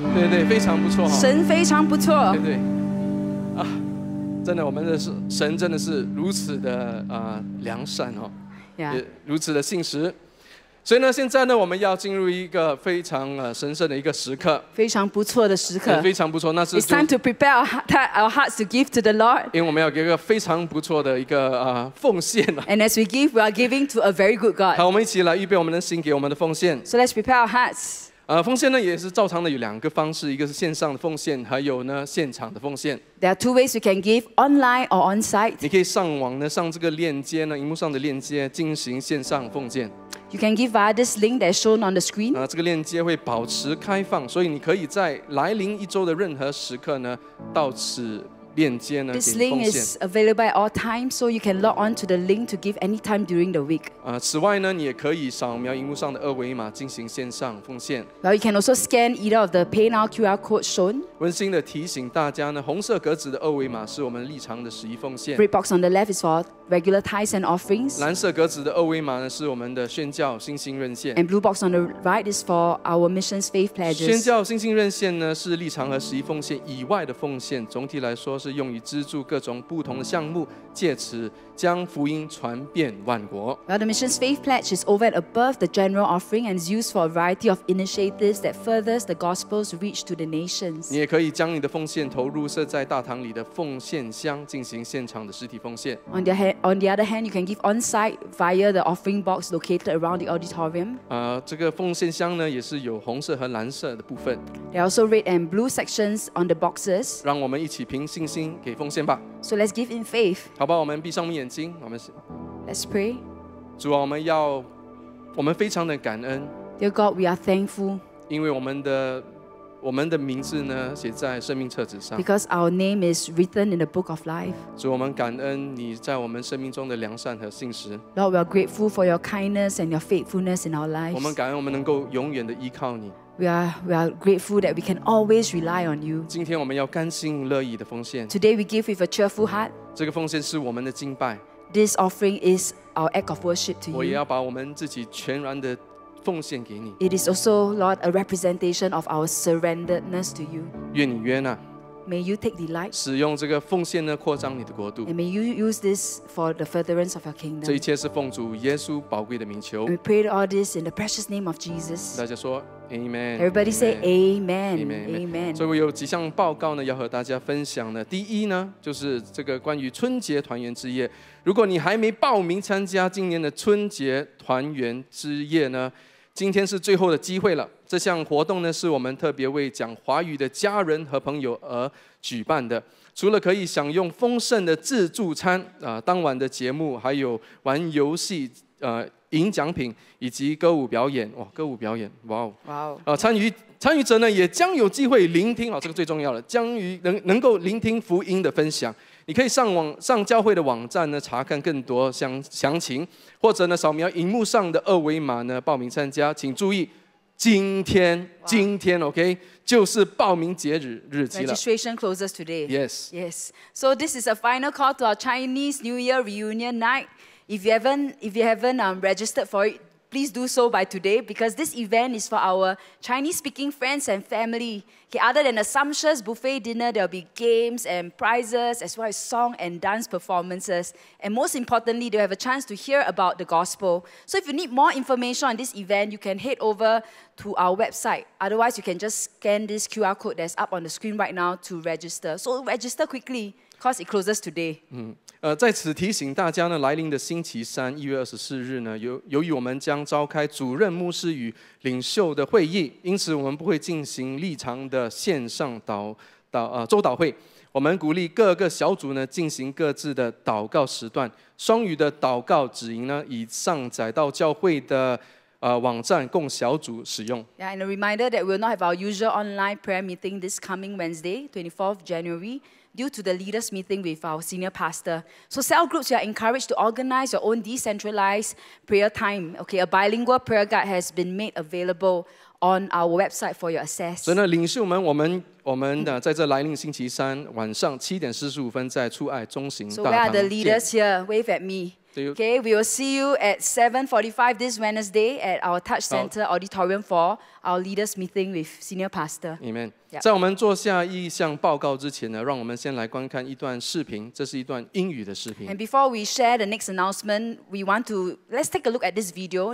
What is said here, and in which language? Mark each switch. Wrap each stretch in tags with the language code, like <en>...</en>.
<zh>对对，非常不错。神非常不错。对对。啊，真的，我们的神真的是如此的良善哦， yeah。也如此的信实。所以呢，现在呢，我们要进入一个非常神圣的一个时刻，非常不错的时刻，非常不错。那是</zh> <en>It's time to prepare our hearts to give to the Lord，</en> <zh>因为我们要给一个非常不错的一个奉献。</zh> <en>And as we give, we are giving to a very good God。</en> <zh>好，我们一起来预备我们的心给我们的奉献。</zh> <en>So let's prepare our hearts。</en> <zh>奉献呢也是照常的有两个方式，一个是线上的奉献，还有呢现场的奉献。</zh> <en>There are two ways you can give, online or on site。</en> <zh>你可以上网呢，上这个链接呢，荧幕上的链接进行线上奉献。</zh> <en>You can give via this link that's shown on the screen。</en> <zh>这个链接会保持开放，所以你可以在来临一周的任何时刻呢，到此链接呢。</zh> <en>This link is available at all times, so you can log on to the link to give any time during the week。</en> <zh>此外呢，你也可以扫描荧幕上的二维码进行线上奉献。</zh> <en>Now you can also scan either of the PayNow QR code shown。</en> <zh>温馨的提醒大家呢，红色格子的二维码是我们日常的十一奉献。</zh> <en>Red box on the left is for regular tithes and offerings。</en> <zh>蓝色格子的二维码呢是我们的宣教信心任线。</zh> <en>And blue box on the right is for our missions faith pledges。</en> <zh>宣教信心任线呢是日常和十一奉献以外的奉献，总体来说是用于资助各种不同的项目，借此将福音传遍万国。</zh> <en>Well, the missions faith pledge is over and above the general offering and is used for a variety of initiatives that furthers the gospel's reach to the nations。</en> <zh>你也可以将你的奉献投入设在大堂里的奉献箱，进行现场的实体奉献。</zh> <en>On the other hand, you can give on site via the offering box located around the auditorium。</en> <zh>这个奉献箱呢，也是有红色和蓝色的部分。</zh> <en>There are also red and blue sections on the boxes。</en> <zh>让我们一起凭信心给奉献吧。</zh> <en>So let's give in faith。</en> <zh>好吧，我们闭上眼睛，我们</zh> <en>Let's pray。</en> <zh>主啊，我们非常的感恩。</zh> <en>Dear God, we are thankful。</en> <zh>因为我们的我们的名字呢写在生命册子上。</zh> <en>Because our name is written in the book of life.</en> <zh>主，我们感恩你在我们生命中的良善和信实。</zh> <en>Lord, we are grateful for your kindness and your faithfulness in our lives.</en> <zh>我们感恩我们能够永远的依靠你。</zh> <en>We are grateful that we can always rely on you.</en> <zh>今天我们要甘心乐意的奉献。</zh> <en>Today we give with a cheerful heart.</en> <zh>这个奉献是我们的敬拜。</zh> <en>This offering is our act of worship to you.</en> <zh>我也要把我们自己全然的奉献给你。</zh> <en>It is also, Lord, a representation of our surrenderedness to you.</en> <zh>愿你悦纳。</zh> <en>May you take delight.</en> <zh>使用这个奉献呢，扩张你的国度。</zh> <en>And may you use this for the furtherance of your kingdom.</en> <zh>这一切是奉主耶稣宝贵的名求。</zh> <en>We pray all this in the precious name of Jesus.</en> <zh>大家说 ，Amen.</zh> <en>Everybody say Amen. Amen.</en> <zh>所以我有几项报告呢，要和大家分享的。第一呢，就是这个关于春节团圆之夜。如果你还没报名参加今年的春节团圆之夜呢？今天是最后的机会了。这项活动呢，是我们特别为讲华语的家人和朋友而举办的。除了可以享用丰盛的自助餐、当晚的节目，还有玩游戏、赢奖品，以及歌舞表演。哇，歌舞表演，哇哦！参与者呢，也将有机会聆听，这个最重要了，能够聆听福音的分享。你可以上教会的网站呢查看更多详情，或者呢扫描荧幕上的二维码呢报名参加。请注意，今天 OK 就是报名截止日期了。</zh> <en>Registration closes today. Yes. Yes. So this is a final call to our Chinese New Year reunion night. If you haven't registered for it, please do so by today, because this event is for our Chinese-speaking friends and family. Okay, other than a sumptuous buffet dinner, there'll be games and prizes, as well as song and dance performances. And most importantly, they'll have a chance to hear about the gospel. So if you need more information on this event, you can head over to our website. Otherwise, you can just scan this QR code that's up on the screen right now to register. So register quickly, because it closes today. Mm-hmm.</en> <zh>在此提醒大家呢，来临的星期三1月24日呢，由于我们将召开主任牧师与领袖的会议，因此我们不会进行例常的线上周祷会。我们鼓励各个小组呢进行各自的祷告时段，双语的祷告指引呢已上载到教会的网站供小组使用。</zh> <en>Yeah, and a reminder that we will not have our usual online prayer meeting this coming Wednesday, 24th January, due to the leaders meeting with our senior pastor. So cell groups, you are encouraged to organize your own decentralized prayer time. Okay, a bilingual prayer guide has been made available on our website for your access.</en> <zh>所以呢，领袖们，我们的在这来临星期三晚上7:45在出爱中心大堂见。</zh> <en>So we are the leaders here. Wave at me. Okay, we will see you at 7:45 this Wednesday at our Touch Center Auditorium for our leaders meeting with Senior Pastor. Amen.</en> <zh>在我们做下一项报告之前呢，让我们先来观看一段视频。这是一段英语的视频。</zh> <en>And before we share the next announcement, let's take a look at this video.</en>